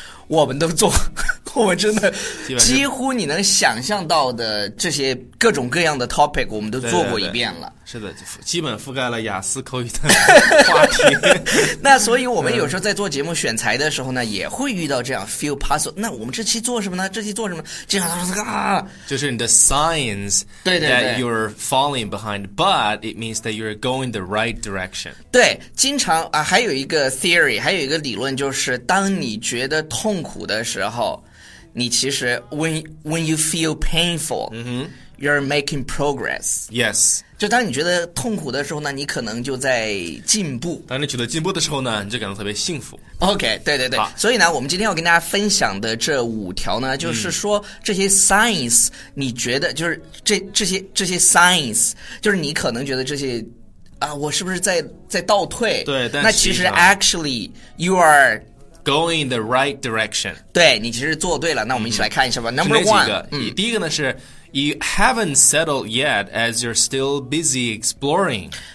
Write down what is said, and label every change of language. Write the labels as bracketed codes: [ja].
[zh] 我们都做，我们真的几乎你能想象到的这些各种各样的 topic 我们都做过一遍了，对对对，是的，基本覆盖了雅思口语的话题那所以我们有时候在做节目选材的时候呢，也会遇到这样 [en] feel puzzle， [zh] 那我们这期做什么呢，这期做什么，经常说就是你的 signs，对对对， [en] that you're falling behind but it means that you're going the right direction， [zh] 对，经常啊，还有一个 theory， 还有一个理论，就是当你觉得痛苦的时候，你其实 [en] when you feel painful，you're making progress。 Yes， [zh] 就当你觉得痛苦的时候呢，你可能就在进步。当你觉得进步的时候呢，你就感到特别幸福。 OK， 对对对。所以呢，我们今天要跟大家分享的这五条呢，就是说这些 signs，你觉得就是这些 signs， 就是你可能觉得这些啊，我是不是在倒退？对，但那其实 [en] actually you are。 Going the right direction. [zh] 对，你其实做对了，那我们一起来看一下吧。 [en] Number one, [zh] 是哪几个？第一个呢是 [en] You haven't settled yet as you're still busy exploring.